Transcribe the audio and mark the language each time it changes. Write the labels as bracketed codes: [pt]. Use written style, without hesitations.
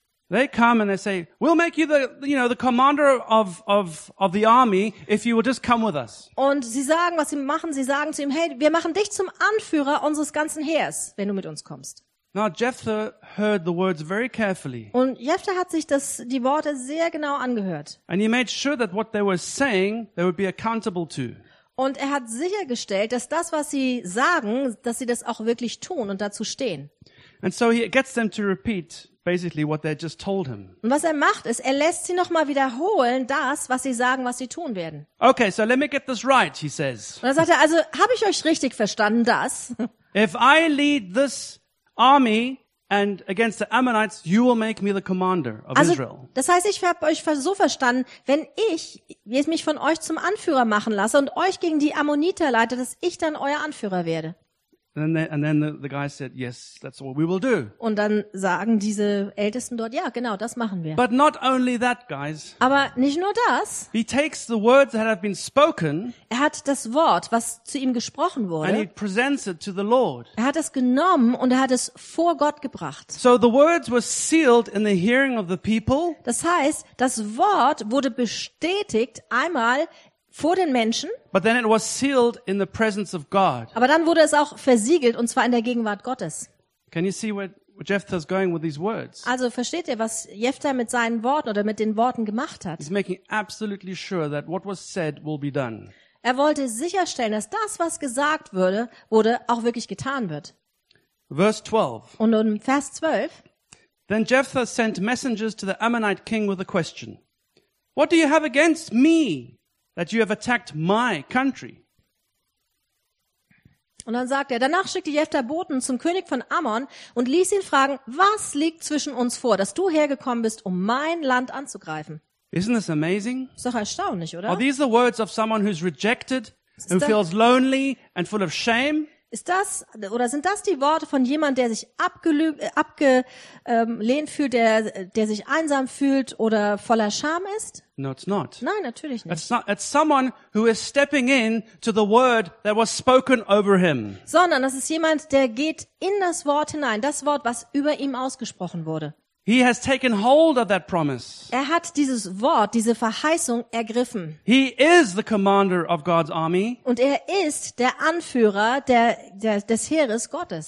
[en] They come and they say, "We'll make you the commander of the army if you will just come with us." [de] Und sie sagen, was sie machen, sie sagen zu ihm, "Hey, wir machen dich zum Anführer unseres ganzen Heers, wenn du mit uns kommst." [en] Now Jephthah heard the words very carefully. [de] Und Jephthah hat sich die Worte sehr genau angehört. [en] And he made sure that what they were saying, they would be accountable to. [de] Und er hat sichergestellt, dass das, was sie sagen, dass sie das auch wirklich tun und dazu stehen. [en] And so he gets them to repeat basically what they just told him. [de] Und was er macht, ist, er lässt sie nochmal wiederholen, das, was sie sagen, was sie tun werden. [en] Okay, so let me get this right, he says. [de] Und dann sagt er, also habe ich euch richtig verstanden, das? [en] If I lead this army and against the Ammonites, you will make me the commander of Israel. [de] Also, das heißt, ich habe euch so verstanden, wenn ich mich von euch zum Anführer machen lasse und euch gegen die Ammoniter leite, dass ich dann euer Anführer werde. [en] And then the guy said, yes, that's what we will do. [de] Und dann sagen diese Ältesten dort, ja, genau, das machen wir. [en] But not only that, guys. [de] Aber nicht nur das. [en] He takes the words that have been spoken. [de] Er hat das Wort, was zu ihm gesprochen wurde. [en] And he presents it to the Lord. [de] Er hat es genommen und er hat es vor Gott gebracht. [en] So the words were sealed in the hearing of the people. [de] Das heißt, das Wort wurde bestätigt einmal vor den Menschen. [en] But then it was sealed in the presence of God. [de] Aber dann wurde es auch versiegelt, und zwar in der Gegenwart Gottes. [en] Can you see where Jephthah's going with these words? [de] Also versteht ihr, was Jephthah mit seinen Worten oder mit den Worten gemacht hat? [en] He's making absolutely sure that what was said will be done. [de] Er wollte sicherstellen, dass das, was gesagt wurde, auch wirklich getan wird. [en] Verse 12. [de] Und in Vers 12. [en] Then Jephthah sent messengers to the Ammonite king with a question. What do you have against me? That you have attacked my country. [de] Und dann sagt er, danach schickte Jephtha Boten zum König von Ammon und ließ ihn fragen, was liegt zwischen uns vor, dass du hergekommen bist, um mein Land anzugreifen? [en] Isn't this amazing? [de] Ist doch erstaunlich, oder? [en] Are these the words of someone who's rejected, who feels lonely and full of shame? [de] Ist das, oder sind das die Worte von jemand, der sich abgelehnt fühlt, der sich einsam fühlt oder voller Scham ist? [en] No, it's not. [de] Nein, natürlich nicht. [en] It's someone who is stepping in to the word that was spoken over him. [de] Sondern das ist jemand, der geht in das Wort hinein, das Wort, was über ihm ausgesprochen wurde. [en] He has taken hold of that promise. [de] Er hat dieses Wort, diese Verheißung ergriffen. [en] He is the commander of God's army. [de] Und er ist der Anführer des Heeres Gottes.